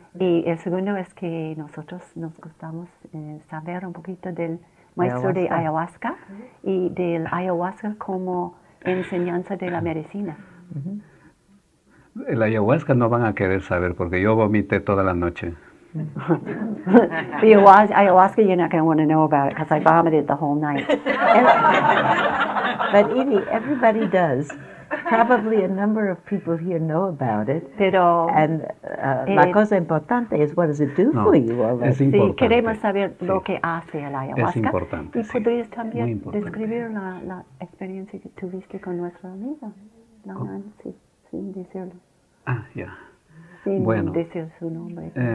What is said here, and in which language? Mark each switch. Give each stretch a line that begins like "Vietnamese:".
Spanish: Y el segundo es que nosotros nos gustamos saber un poquito del maestro ayahuasca. De ayahuasca y del ayahuasca como enseñanza de la medicina. El ayahuasca no van a querer saber porque yo vomité toda la noche.
English: The ayahuasca, you're not going to want to know about it because I vomited the whole night. But Edie, everybody does. Probably a number of people here know about it.
Spanish: Pero,
English: and
Spanish: la cosa importante
English: is what does it do for you all that?
Spanish: Sí, queremos saber lo que hace el ayahuasca. Es importante. Y podrías también describir la experiencia que tuviste con nuestra amiga, la Nancy, sin decirlo. Ah, ya. Bueno, decir su nombre.